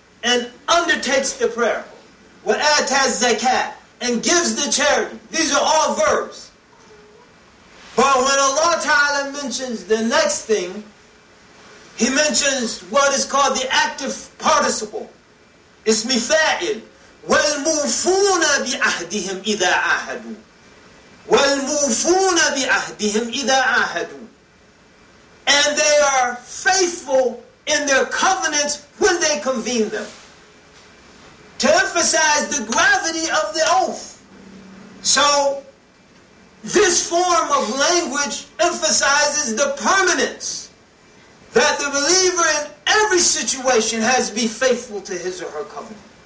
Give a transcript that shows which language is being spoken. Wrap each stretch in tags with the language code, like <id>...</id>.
<en>And undertakes the prayer.</en> <ar>وَآتَى الزَّكَاةِ.</ar> <en>And gives the charity. These are all verbs. But when Allah Ta'ala mentions the next thing, He mentions what is called the active participle.</en> <ar>اسم فاعل والموفون بعهدهم إذا عاهدوا والموفون بعهدهم إذا عاهدوا.</ar> <en>And they are faithful in their covenants when they convene them. To emphasize the gravity of the oath. So this form of language emphasizes the permanence that the believer in every situation has to be faithful to his or her covenant.</en>